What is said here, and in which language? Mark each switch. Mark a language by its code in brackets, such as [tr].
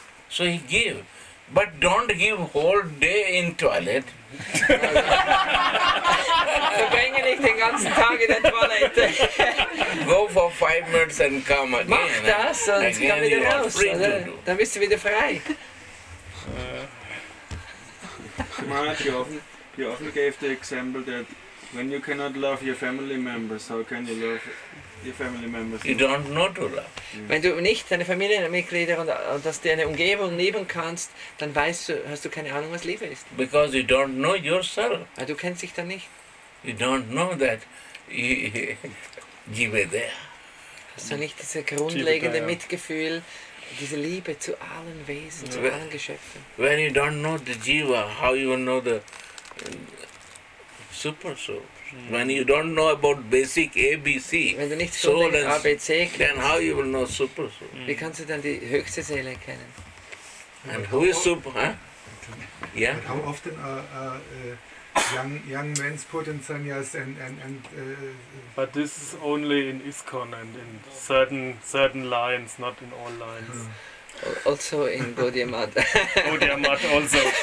[en] So he gave, but don't give whole day in toilet. [de] Verbringe nicht den ganzen Tag in der Toilette. [en] Go for 5 minutes and come again. [de] Mach das und komm wieder raus. Dann bist du wieder frei. [en] You often gave the example that when you cannot love your family members, how can you love your family members? You don't know to love. [de] Wenn du nicht deine Familienmitglieder und dass deine Umgebung lieben kannst, dann weißt du, hast du keine Ahnung, was Liebe ist. [en] Because you don't know yourself. [de] Du kennst dich dann nicht. [en] You don't know that Jiva there. [de] Hast du nicht dieses grundlegende Mitgefühl, diese Liebe zu allen Wesen, zu allen Geschöpfen? [en] When you don't know the Jiva, how you know the super soul? When you don't know about basic ABC, [de] wenn du nicht [en] soul and ABC [de] kennst, [en] then how you will know super soul? [de] Wie kannst du dann die höchste Seele kennen? [en] And who is super, huh? Yeah? But how often young men's put in sannyas and but this is only in ISKCON and in certain lines, not in all lines. Also in Gaudiya Math. Gaudiya Math also.